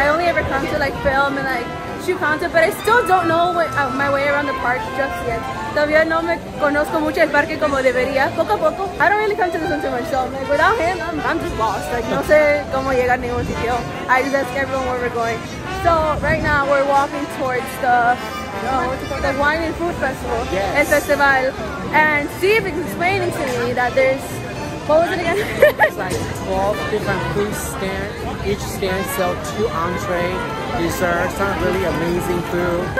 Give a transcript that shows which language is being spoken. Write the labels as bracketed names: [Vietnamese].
[English] But I still don't know my way around the park just yet. [Spanish] Todavía no me conozco mucho el parque como debería. Poco a poco. [English] I don't really come to this one too much. So like, without him, I'm just lost. [Spanish] Like, no sé cómo llegar a ningún sitio. [English] I just ask everyone where we're going. So right now we're walking towards the, the wine and food festival. Yes. [Spanish] El festival. [English] And Steve is explaining to me that there's, what was it again? It's like 12 different food stands. Each stand sells 2 entrees, desserts, some really amazing food.